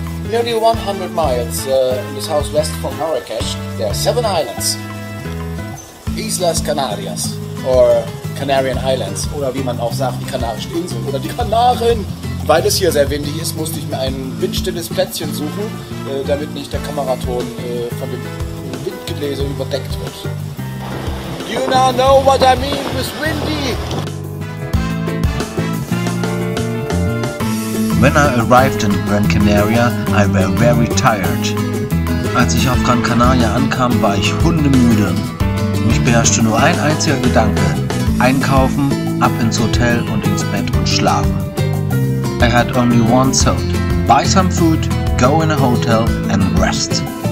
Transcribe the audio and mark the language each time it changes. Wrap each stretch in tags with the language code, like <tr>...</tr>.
<en>Nearly 100 miles in the southwest from Marrakesh, there are seven islands.</en> <de>Islas Canarias, or Canarian Islands, oder wie man auch sagt, die Kanarischen Inseln, oder die Kanaren. Weil es hier sehr windig ist, musste ich mir ein windstilles Plätzchen suchen, damit nicht der Kameraton von dem Windgebläse überdeckt wird.</de> <en>You now know what I mean with windy. When I arrived in Gran Canaria, I was very tired.</en> <de>Als ich auf Gran Canaria ankam, war ich hundemüde. Mich beherrschte nur ein einziger Gedanke: einkaufen, ab ins Hotel und ins Bett und schlafen.</de> <en>I had only one thought: buy some food, go in a hotel and rest.</en>